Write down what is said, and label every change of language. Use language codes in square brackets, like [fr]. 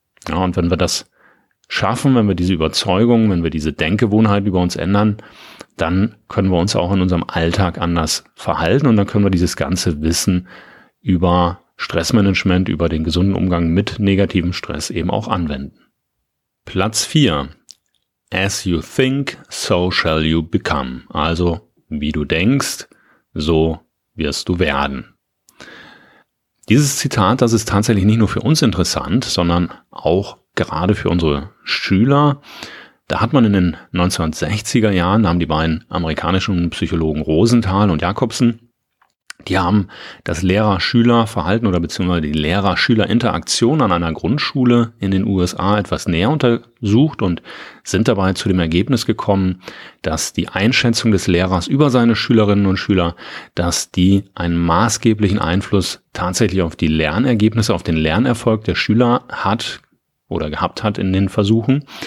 [de] Ja, und wenn wir das schaffen, wenn wir diese Überzeugung, wenn wir diese Denkgewohnheit über uns ändern, dann können wir uns auch in unserem Alltag anders verhalten und dann können wir dieses ganze Wissen über Stressmanagement, über den gesunden Umgang mit negativem Stress eben auch anwenden. Platz 4. [en] As you think, so shall you become. [de] Also, wie du denkst, so wirst du werden. Dieses Zitat, das ist tatsächlich nicht nur für uns interessant, sondern auch gerade für unsere Schüler. Da hat man in den 1960er Jahren, da haben die beiden amerikanischen Psychologen Rosenthal und Jacobsen, die haben das Lehrer-Schüler-Verhalten oder beziehungsweise die Lehrer-Schüler-Interaktion an einer Grundschule in den USA etwas näher untersucht und sind dabei zu dem Ergebnis gekommen, dass die Einschätzung des Lehrers über seine Schülerinnen und Schüler, dass die einen maßgeblichen Einfluss tatsächlich auf die Lernergebnisse, auf den Lernerfolg der Schüler hat oder gehabt hat in den Versuchen.